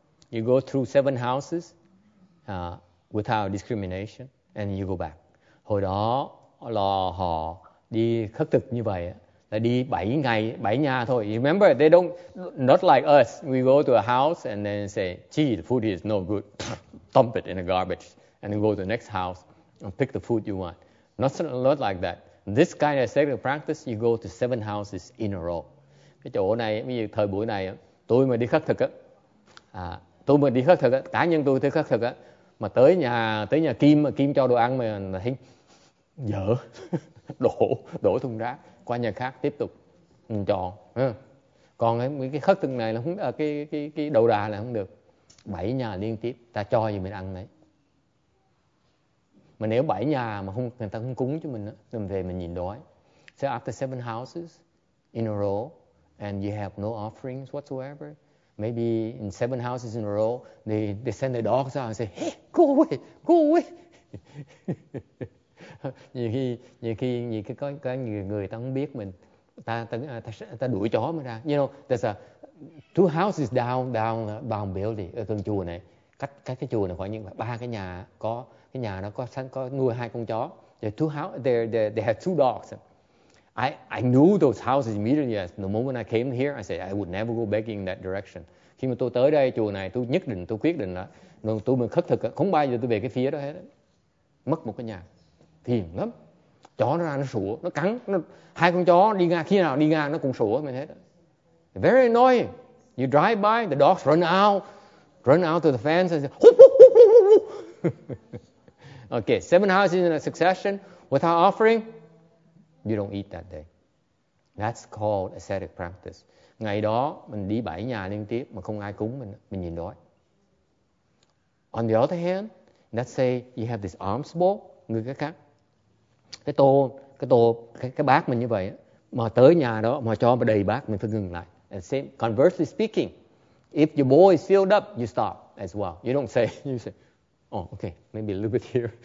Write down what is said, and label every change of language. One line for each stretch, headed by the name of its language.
English: You go through 7 houses without discrimination, and you go back.
Vietnamese: Hồi đó là họ đi khất thực như vậy. Là đi 7 ngày, 7 nhà thôi.
English: You remember, they don't, not like us. We go to a house and then say, gee, the food is no good. Dump it in the garbage. And then go to the next house and pick the food you want. Not like that. This kind of sacred practice, you go to seven houses in a row.
Vietnamese: Cái chỗ này, ví dụ thời buổi này, tôi mà đi khất thực á, tôi mà đi khất thực á, cá nhân tôi tới khất thực á, mà tới nhà Kim, mà Kim cho đồ ăn mà thấy dở, đổ thùng rác, qua nhà khác tiếp tục mình chọn. Còn cái khất thực này là không, cái đầu đà là không được. Bảy nhà liên tiếp, ta cho gì mình ăn đấy. Mà nếu bảy nhà mà không, người ta không cúng cho mình, mình về mình nhìn đói.
English: So after seven houses in a row, and you have no offerings whatsoever, maybe in seven houses in a row, they send the dogs out and say, hey, go away, go away.
Vietnamese: nhiều khi có người ta không biết mình, ta đuổi chó mới ra.
English: You know, there's a two houses down bound building
Vietnamese: ở gần chùa này. Cách cái chùa này khoảng như ba cái nhà, có cái nhà nó có nuôi hai con chó.
English: They have two dogs. I knew those houses immediately. Yes. The moment I came here, I said I would never go back in that direction.
Vietnamese: Khi mà tôi tới đây chùa này, tôi quyết định là tôi mình khất thực, không bao giờ tôi về cái phía đó hết. Mất một cái nhà, phiền lắm. Chó nó ra nó sủa, nó cắn. Hai con chó đi ngang, khi nào đi ngang nó cũng sủa mình hết.
English: Very annoying. You drive by, the dogs run out to the fence and say, hoo, hoo, hoo, hoo, hoo. Okay, seven houses in a succession without offering, you don't eat that day. That's called ascetic practice.
Vietnamese: Ngày đó mình đi bảy nhà liên tiếp mà không ai cúng mình nhìn đói.
English: On the other hand, let's say you have this alms bowl,
Vietnamese: người khác, cái bát mình như vậy, mà tới nhà đó mà cho mà đầy bát mình phải ngừng lại.
English: And same, conversely speaking, if your bowl is filled up, you stop as well. You don't say, oh, okay, maybe a little bit here.